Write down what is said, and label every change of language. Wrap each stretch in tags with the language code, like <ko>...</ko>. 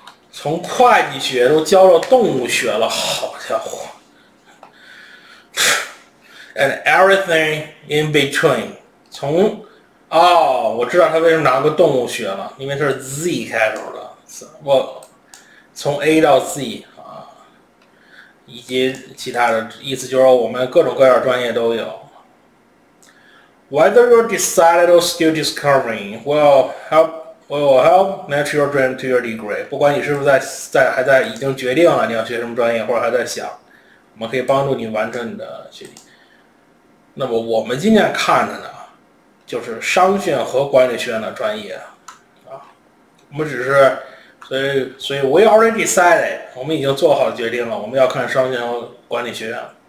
<zh>从会计学都教到动物学了，好家伙 ！</zh> <en>And everything in between，</en> <zh>从。哦，我知道他为什么拿个动物学了，因为他是 Z 开头的，我从 A 到 Z 啊，以及其他的意思就是说我们各种各样的专业都有。</zh> <en>Whether you're decided or still discovering, will help match your dream to your degree。</en> <zh>不管你是不是还在已经决定了你要学什么专业，或者还在想，我们可以帮助你完成你的学历。那么我们今天看的呢？就是商学院和管理学院的专业啊，我们只是所以</zh> <en>we already decided，</en> <zh>我们已经做好决定了，我们要看商学院和管理学院。</zh>